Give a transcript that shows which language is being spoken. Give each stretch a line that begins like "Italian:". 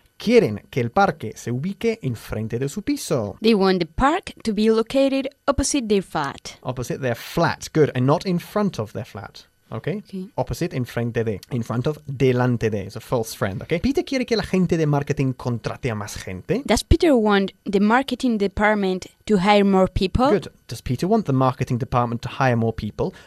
Spanish: Quieren que el parque se ubique en frente de su piso.
English: They want the park to be located opposite their flat. Opposite their flat. Good, and not in front of their flat. Okay. Opposite, in front of. In front of,
Spanish: delante de.
English: It's a false friend, okay?
Spanish: ¿Peter quiere que la gente de marketing contrate a más gente?
English: Does Peter want the marketing department to hire more people? Good. Does Peter want the marketing department to hire more people?